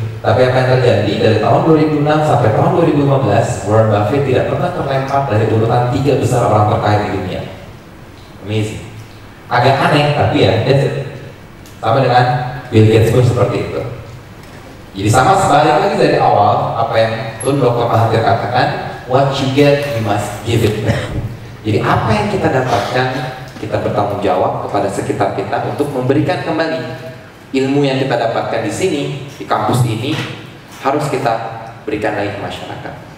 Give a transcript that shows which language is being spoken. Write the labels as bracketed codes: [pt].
[id] Tapi apa yang terjadi dari tahun 2006 sampai tahun 2015 Warren Buffett tidak pernah terlempar dari urutan 3 besar orang terkaya di dunia. Amazing. Agak aneh tapi ya, that's it. Sama dengan Bill Gates pun seperti itu. Jadi sama sebaliknya lagi dari awal, apa yang Tun Dr. [en] Mahathir [id] katakan, [en] what you get, you must give it. [id] Jadi apa yang kita dapatkan, kita bertanggung jawab kepada sekitar kita untuk memberikan kembali ilmu yang kita dapatkan di sini, di kampus ini, harus kita berikan lagi ke masyarakat.